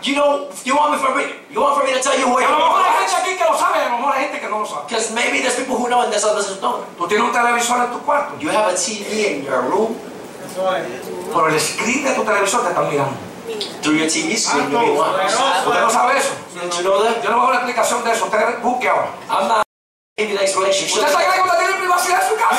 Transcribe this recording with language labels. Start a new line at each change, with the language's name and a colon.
English: You know, you want me to tell you where.
Spanish: A lo mejor hay gente aquí que lo sabe, a lo mejor hay gente que no lo sabe.
English: Because maybe there's people who know and there's others who don't.
Spanish: ¿Tú tienes un televisor en tu cuarto?
English: You have a TV in your room.
Spanish: Por el screen de tu televisor te están mirando.
English: Through your TV screen, you mean what?
Spanish: ¿Usted no sabe eso?
English: Don't you know that?
Spanish: Yo no voy a dar una explicación de eso. Usted busque ahora.
English: I'm not giving you an explanation.
Spanish: ¿Usted está creyendo que usted tiene privacidad en su casa?